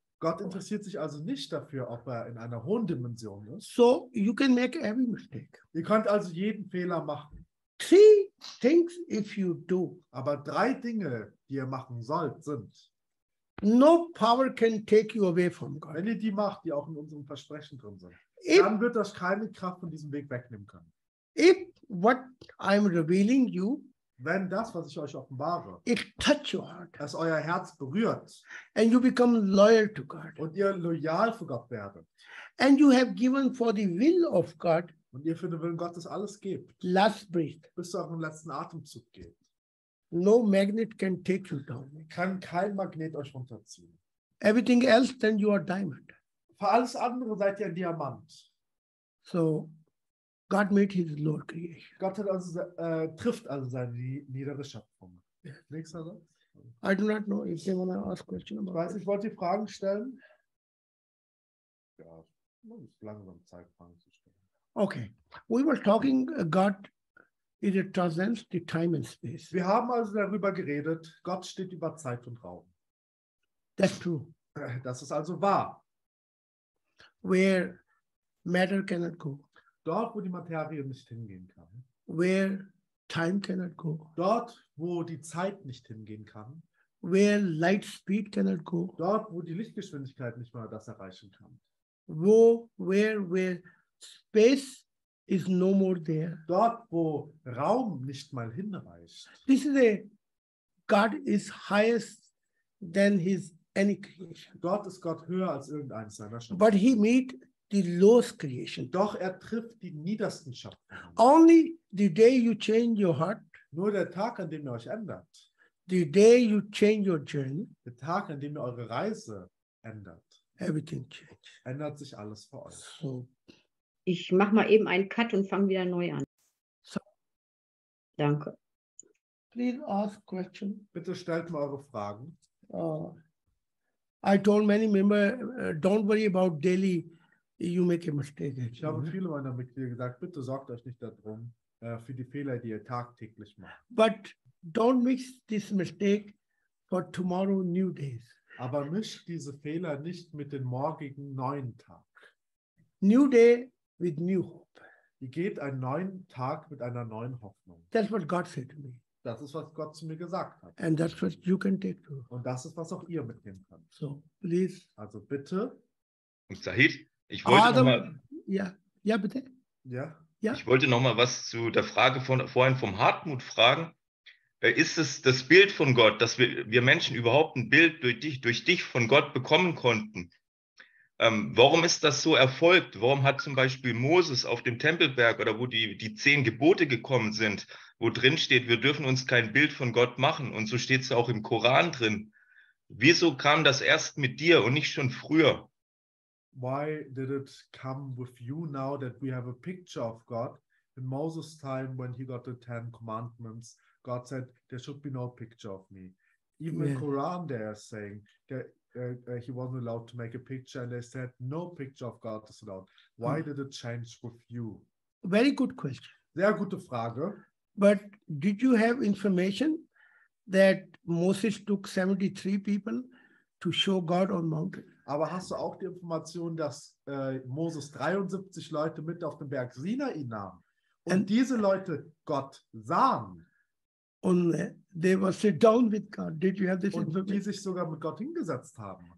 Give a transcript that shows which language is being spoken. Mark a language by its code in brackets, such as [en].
[de] Gott interessiert sich also nicht dafür, ob er in einer hohen Dimension ist. [en] So you can make every mistake. [de] Ihr könnt also jeden Fehler machen. [en] Three things if you do. [de] Aber 3 Dinge, die ihr machen sollt, sind. [en] No power can take you away from God. [de] Wenn ihr die macht, die auch in unserem Versprechen drin sind, if, dann wird euch keine Kraft von diesem Weg wegnehmen können. [en] If what I'm revealing you, [de] wenn das, was ich euch offenbare, [en] it touch your heart, [de] es euer Herz berührt, [en] and you become loyal to God, [de] und ihr loyal für Gott werdet, [en] and you have given for the will of God, [de] Und ihr für den Willen Gottes alles gebt. [en] Last breath. [de] Bis zu eurem letzten Atemzug geht. [en] No magnet can take you down. [de] Kann kein Magnet euch runterziehen. [en] Everything else, then you are diamond. [de] Für alles andere seid ihr ein Diamant. [en] So, God made his Lord creation. [de] Gott hat also, trifft also seine niedere Schöpfung. Nächster Satz. [en] I do not know if they want to ask questions. [de] Ich weiß, ich wollte die Fragen stellen. Ja, man muss langsam Zeit, Fragen zu stellen. [en] Okay, we were talking, God is a transcends the time and space. [de] Wir haben also darüber geredet, Gott steht über Zeit und Raum. [en] That's true. [de] Das ist also wahr. [en] Where matter cannot go. [de] Dort, wo die Materie nicht hingehen kann. [en] Where time cannot go. [de] Dort, wo die Zeit nicht hingehen kann. [en] Where light speed cannot go. [de] Dort, wo die Lichtgeschwindigkeit nicht mal das erreichen kann. [en] Wo, where space is no more there. [de] Dort, wo Raum nicht mal hinreicht. [en] This is a God is highest than his any creation. [de] Dort ist Gott höher als irgendeines seiner Schöpfung. [en] But he meet the lowest creation. [de] Doch er trifft die niedersten Schöpfungen. [en] Only the day you change your heart. [de] Nur der Tag, an dem ihr euch ändert. [en] The day you change your journey. [de] Der Tag, an dem ihr eure Reise ändert. [en] Everything changes. [de] Ändert sich alles für euch. [en] So. [de] Ich mache mal eben einen Cut und fange wieder neu an. So. Danke. [en] Please ask question. [de] Bitte stellt mir eure Fragen. [en] I told many members, don't worry about daily, you make a mistake. [de] Ich habe viele meiner Mitglieder gesagt, bitte sorgt euch nicht darum, für die Fehler, die ihr tagtäglich macht. [en] But don't mix this mistake for tomorrow new days. [de] Aber mischt diese Fehler nicht mit dem morgigen neuen Tag. [en] New day with new hope. [de] Ihr geht einen neuen Tag mit einer neuen Hoffnung. [en] That's what God said to me. [de] Das ist, was Gott zu mir gesagt hat. [en] And that's what you can take too. [de] Und das ist, was auch ihr mitnehmen könnt. [en] So, please. [de] Also bitte. Und Sahid, ich wollte nochmal. Ja, bitte. Ja. Ich wollte nochmal was zu der Frage von vorhin vom Hartmut fragen. Ist es das Bild von Gott, dass wir Menschen überhaupt ein Bild durch dich von Gott bekommen konnten? Warum ist das so erfolgt? Warum hat zum Beispiel Moses auf dem Tempelberg oder wo die 10 Gebote gekommen sind, wo drin steht, wir dürfen uns kein Bild von Gott machen? Und so steht es auch im Koran drin. Wieso kam das erst mit dir und nicht schon früher? [en] Why did it come with you now that we have a picture of God? In Moses' time, when he got the 10 commandments, God said, there should be no picture of me. Even in Koran, they are saying that he wasn't allowed to make a picture, and they said, no picture of God is allowed. Why did it change with you? Very good question. [de] Sehr gute Frage. [en] But did you have information that Moses took 73 people to show God on mountain? [de] Aber hast du auch die Information, dass Moses 73 Leute mit auf den Berg Sinai nahm und diese Leute Gott sahen? [en] Und they were sit down with God. Did you have this information? [de] Und die sich sogar mit Gott hingesetzt haben.